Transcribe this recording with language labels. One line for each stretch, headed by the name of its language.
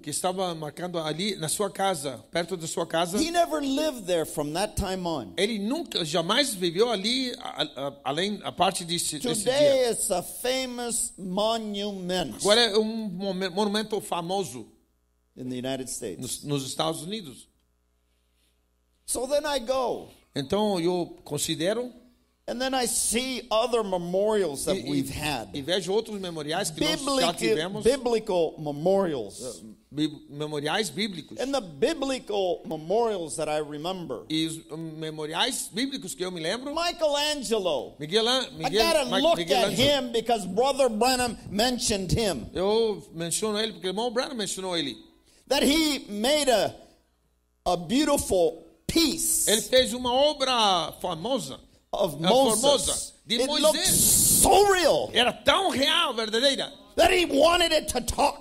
Portuguese: Que estava marcando ali na sua casa, perto da sua casa.
English: He never lived there from that time on.
Portuguese: Ele nunca, jamais viveu ali, além a parte desse dia.
English: Today it's a famous monument.
Portuguese: Agora é monumento famoso.
English: In the United States.
Portuguese: Nos Estados Unidos.
English: So then I go.
Portuguese: Então eu considero.
English: And then I see other memorials that we've had.
Portuguese: E vejo outros memoriais que nós já tivemos.
English: Biblical memorials.
Portuguese: Memoriais bíblicos.
English: And the biblical memorials that I remember.
Portuguese: E os memoriais bíblicos que eu me lembro.
English: Michelangelo.
Portuguese: Miguel.
English: I gotta look at him because Brother Branham mentioned him.
Portuguese: Eu menciono ele porque o irmão Branham mencionou ele.
English: That he made a beautiful piece.
Portuguese: Ele fez uma obra famosa.
English: Of Moses.
Portuguese: De
English: it
Portuguese: Moisés.
English: Looked so real.
Portuguese: Era tão real, verdadeira.
English: That he wanted it to talk.